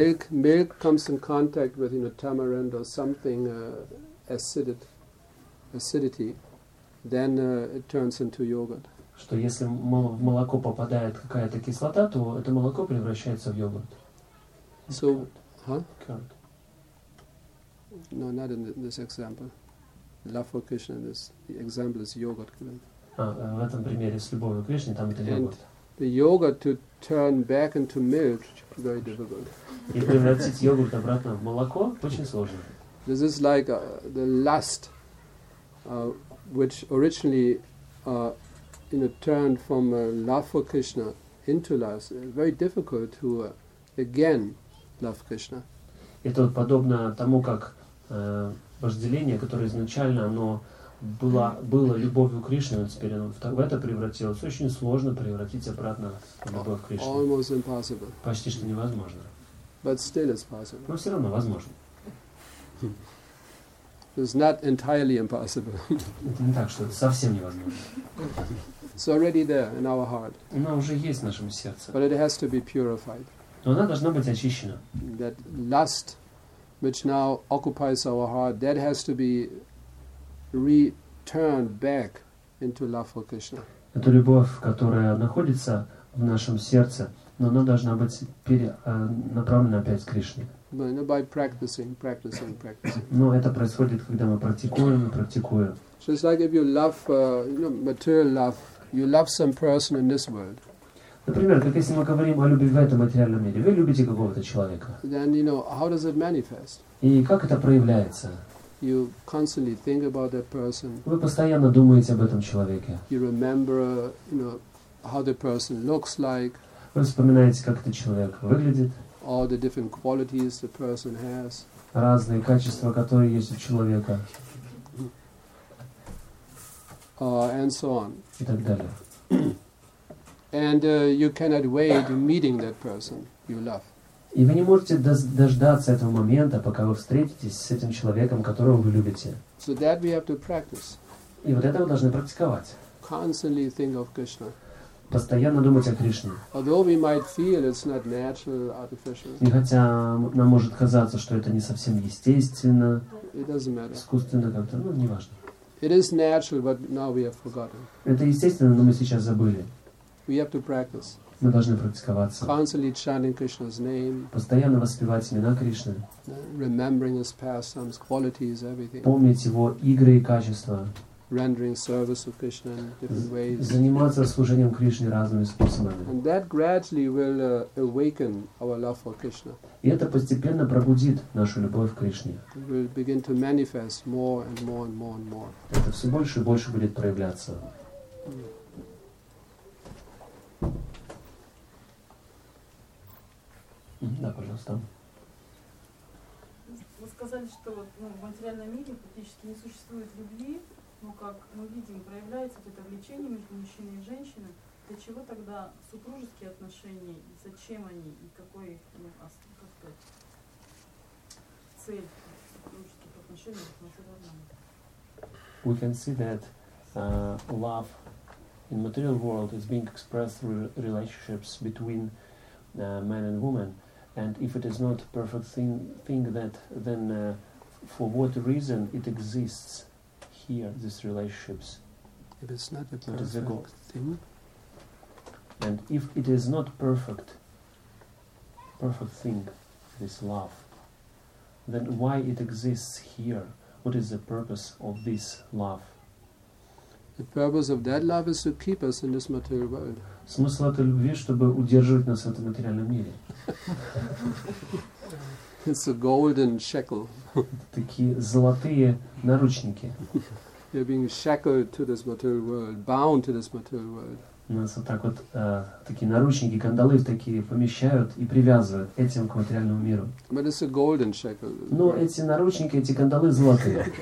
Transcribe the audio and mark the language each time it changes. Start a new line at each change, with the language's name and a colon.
English: Milk comes in contact with, you know, tamarind or something acidity, then it turns into yogurt.
Russian: Что если в молоко попадает какая-то кислота, то это молоко превращается в йогурт.
English: So, Curd. No, not in this example. Love for Krishna, this the example is yogurt.
Russian: А, в этом примере с любовью к Кришне, там это йогурт.
English: And the yogurt to turn back into milk, very difficult.
Russian: И превратить йогурт обратно в молоко очень сложно.
English: This is like the lust. Which originally, turned from love for Krishna into lust, very difficult to again love Krishna.
Russian: Это вот подобно тому, как вожделение, которое изначально оно было любовью к Кришне, но теперь оно в это превратилось. Очень сложно превратить обратно любовь к Кришне.
English: Almost impossible.
Russian: Почти что невозможно.
English: But still it's possible.
Russian: Но все равно возможно.
English: It's not entirely impossible.
Russian: Это не так, что это совсем невозможно.
English: It's already there in our heart.
Russian: Она уже есть в нашем сердце.
English: But it has to be purified.
Russian: Но она должна быть очищена.
English: That lust which now occupies our heart, that has to be returned back into love for Krishna.
Russian: Это любовь, которая находится в нашем сердце, но она должна быть перенаправлена опять к Кришне.
English: By practicing.
Russian: Но это происходит, когда мы практикуем.
English: Just like if you love, material love, you love some person in this world.
Russian: Например, как если мы говорим о любви в этом материальном мире, вы любите какого-то человека.
English: Then, you know, how does it manifest?
Russian: И как это проявляется?
English: You constantly think about that person.
Russian: Вы постоянно думаете об этом человеке.
English: You remember, you know, how the person looks like.
Russian: Вы вспоминаете, как этот человек выглядит.
English: All the different qualities the person has.
Russian: Разные качества, которые есть у человека.
English: And so on.
Russian: И так далее.
English: And you cannot wait meeting that person you love.
Russian: И вы не можете дождаться этого момента, пока вы встретитесь с этим человеком, которого вы любите.
English: So that we have to practice.
Russian: И вот это вы должны практиковать.
English: Constantly think of Krishna.
Russian: Постоянно думать о Кришне.
English: Although we might feel it's not natural, artificial.
Russian: И хотя нам может казаться, что это не совсем естественно,
English: it doesn't matter.
Russian: Искусственно как-то, ну, неважно.
English: It is natural, but now we have forgotten.
Russian: Это естественно, но мы сейчас забыли.
English: We have to practice.
Russian: Мы должны практиковаться.
English: Constantly chanting Krishna's name.
Russian: Постоянно воспевать имена Кришны.
English: Remembering his pastimes, qualities, everything.
Russian: Помнить его игры и качества.
English: Rendering service to Krishna in different ways.
Russian: Заниматься служением Кришне разными способами.
English: And that gradually will awaken our love for Krishna.
Russian: И это постепенно пробудит нашу любовь к Кришне.
English: It will begin to manifest more and more and more and more.
Russian: Это все больше и больше будет проявляться. Да, пожалуйста. Вы сказали, что вот, ну, в материальном мире практически не существует любви, но как мы видим, проявляется вот это влечение между мужчиной и женщиной. Для чего тогда супружеские отношения, и зачем они, и какой их, ну, как-то цель супружеских отношений в материальном мире?
English: We can see that love in material world is being expressed through relationships between man and woman. And if it is not a perfect thing that then for what reason it exists here, these relationships? If it's not a perfect thing? And if it is not perfect thing, this love, then why it exists here? What is the purpose of this love? The purpose of that love is to keep us in this material world.
Russian: Смысл этой любви, чтобы удерживать нас в этом материальном мире.
English: It's a golden shackle.
Russian: Такие золотые наручники.
English: You're being shackled to this material world, bound to this material world.
Russian: Нас вот так вот такие наручники, кандалы такие помещают и привязывают этим к материальному миру.
English: But it's a golden shackle.
Russian: Но эти наручники, эти кандалы золотые.